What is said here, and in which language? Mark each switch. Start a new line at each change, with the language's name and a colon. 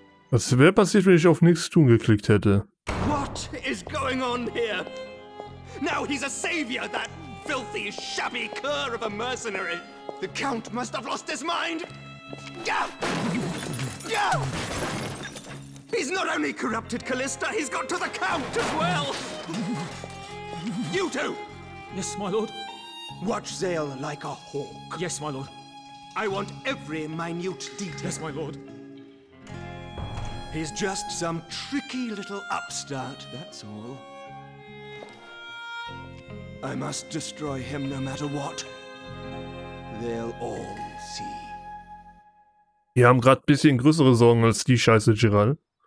German: Was wäre passiert, wenn ich auf nichts tun geklickt hätte?
English: What is going on here? Now he's a savior, that filthy, shabby cur of a mercenary. The Count must have lost his mind. He's not only corrupted Callista, he's got to the Count as well. You two. Yes, my lord. Watch Zale like a hawk. Yes, my lord. I want every minute detail. Yes, my lord. He's just some tricky little upstart, that's all. I must destroy him no matter what. They'll all see.
German: Wir haben gerade ein bisschen größere Sorgen als die Scheiße, Gerald.